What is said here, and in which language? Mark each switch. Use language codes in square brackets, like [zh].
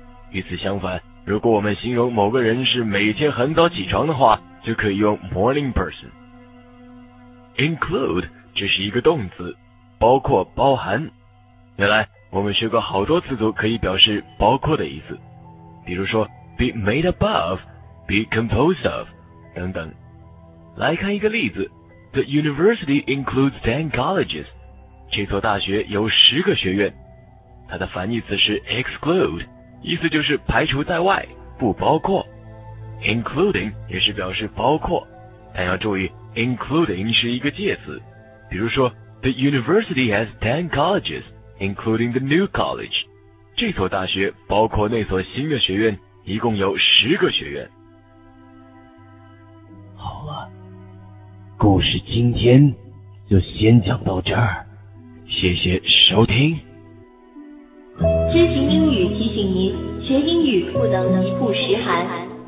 [zh] 与此相反，如果我们形容某个人是每天很早起床的话，就可以用 morning person。 [en] include [zh] 这是一个动词，包括包含，原来我们学过好多词组可以表示包括的意思，比如说 [en] be made up of, be composed of [zh] 等等。来看一个例子， [en] the university includes 10 colleges， [zh] 这座大学有10个学院。它的反义词是 exclude， 意思就是排除在外，不包括。 [en] including [zh] 也是表示包括，但要注意 including 是一个介词，比如说 [en] the university has 10 colleges including the new college， [zh] 这所大学包括那所新的学院一共有10个学院。好了，故事今天就先讲到这儿，谢谢收听。知行英语提醒您，学英语不能一步十寒。